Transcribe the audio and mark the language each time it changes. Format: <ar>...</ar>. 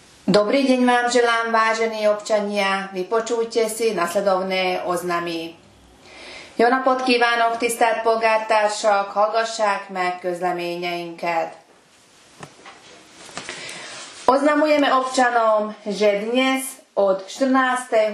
<sk>Dobrý deň vám želám, vážení občania. Vypočujte si nasledovné oznamy.</sk> <hu>Jó napot kívánok, tisztelt polgártársak, hallgassák meg közleményeinket.</hu> <sk>Oznamujeme občanom, že dnes od 14.</sk>